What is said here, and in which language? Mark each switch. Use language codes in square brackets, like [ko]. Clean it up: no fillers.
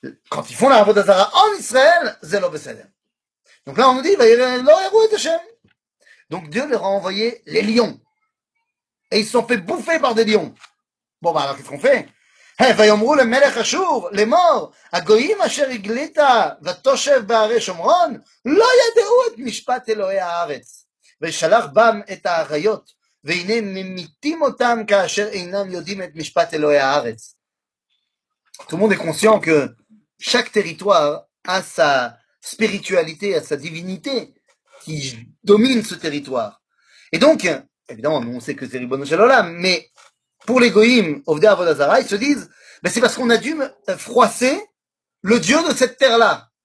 [fr] Quand ils font la avodah zara en Israël, zelo besedem. Donc là, on nous dit, [he] va yirei lo eru et Hashem. [fr] Donc Dieu leur a envoyé les lions. Et ils se sont fait bouffer par des lions. Bon, bah, alors qu'est-ce qu'on fait? [he] ויאמרו למלך אשור לאמור הגויים אשר הגלית ותושב בערי שומרון לא ידעו את משפט אלוהי הארץ ושלח בם את האריות והנה ממיתים אותם כאשר אינם יודעים את משפט אלוהי הארץ. [fr] Tout le monde est conscient que chaque territoire a sa spiritualité, a sa divinité qui domine ce territoire. Et donc, évidemment, nous on sait que c'est Ribono Shel Olam, mais pour les goyim, Ovdei Avodah Zara, ils se disent, ben c'est parce qu'on a dû froisser le dieu de cette terre-là.